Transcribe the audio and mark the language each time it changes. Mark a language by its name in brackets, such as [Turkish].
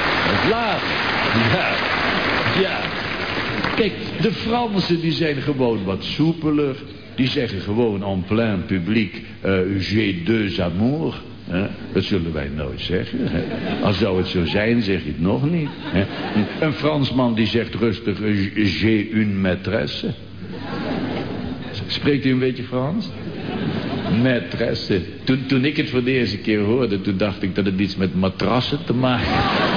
[Dutch] Het laat. Ja. Ja. Kijk, de Fransen die zijn gewoon wat soepeler. Die zeggen gewoon en plein publiek, [French] j'ai deux amours. [Dutch] Dat zullen wij nooit zeggen. Als zou het zo zijn, zeg je het nog niet. Een Fransman die zegt rustig, [French] j'ai une maîtresse. [Dutch] Spreekt u een beetje Frans? Maîtresse. Toen ik het voor de eerste keer hoorde, toen dacht ik dat het iets met matrassen te maken had.